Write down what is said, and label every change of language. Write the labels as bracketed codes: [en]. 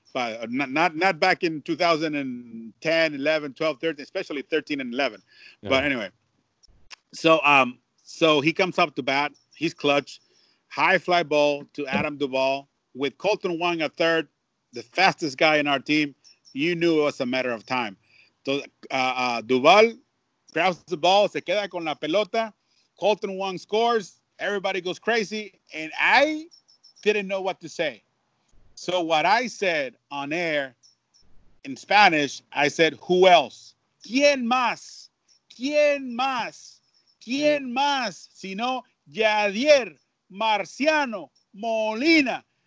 [en] not back in 2010, 11, 12, 13, especially 13 and 11. Yeah. But anyway, so he comes up to bat. He's clutch. High fly ball to Adam Duvall with Colton Wong at third, the fastest guy in our team. You knew it was a matter of time. So Duvall grabs the ball, [es] se queda con la pelota. [en] Colton Wong scores. Everybody goes crazy. And I didn't know what to say. So what I said on air in Spanish, I said, who else? [es] ¿Quién más? ¿Quién más? ¿Quién más? Sino Yadier Marciano Molina.